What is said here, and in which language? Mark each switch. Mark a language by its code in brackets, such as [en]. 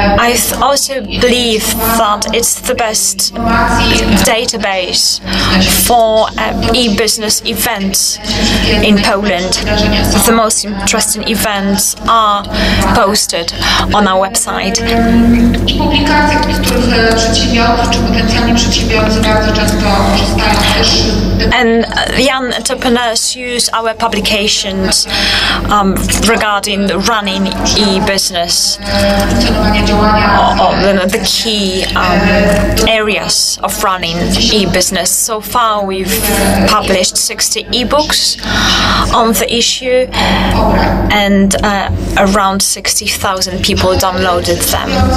[en] I also believe that it's the best database for e-business events in Poland. The most interesting events are posted on our website. [pl] Publikacje, których przedsiębiorcy czy potencjalni przedsiębiorcy bardzo często korzystają też. [en] And young entrepreneurs use our publications regarding running e-business, the key areas of running e-business. So far, we've published 60 e-books on the issue, and around 60,000 people downloaded them.